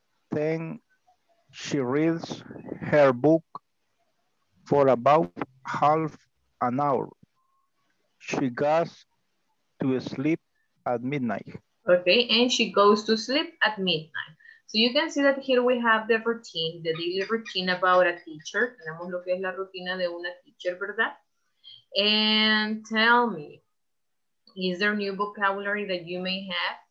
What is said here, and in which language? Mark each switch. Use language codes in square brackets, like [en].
[en] Then she reads her book for about half an hour. She goes to sleep at midnight. Okay, and she goes to sleep at midnight. So you can see that here we have the routine, the daily routine about a teacher. [es] Tenemos lo que es la rutina de una teacher, ¿verdad? [en] And tell me, is there new vocabulary that you may have?